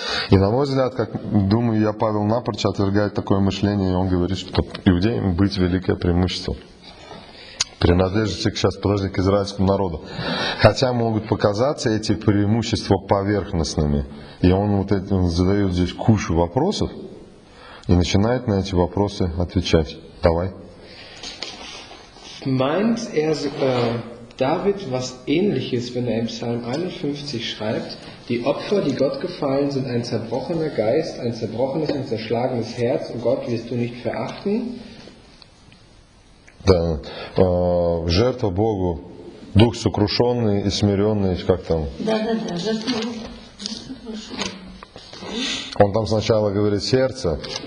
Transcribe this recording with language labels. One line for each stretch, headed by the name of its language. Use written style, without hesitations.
Russian: И на мой взгляд, как думаю я, Павел напрочь отвергает такое мышление, и он говорит, что иудеям быть великое преимущество. Принадлежит сейчас, подожди, к израильскому народу. Хотя могут показаться эти преимущества поверхностными. И он задает здесь кучу вопросов и начинает на эти вопросы отвечать. Давай.
German: Meint er David was ähnliches, wenn er im Psalm 51 schreibt, die Opfer, die Gott gefallen sind, ein zerbrochener Geist, ein zerbrochenes und zerschlagenes Herz, und Gott wirst du nicht verachten?
Russian: Да, жертва Богу, дух сокрушенный и смиренный, как там? Да-да-да, он там сначала говорит сердце.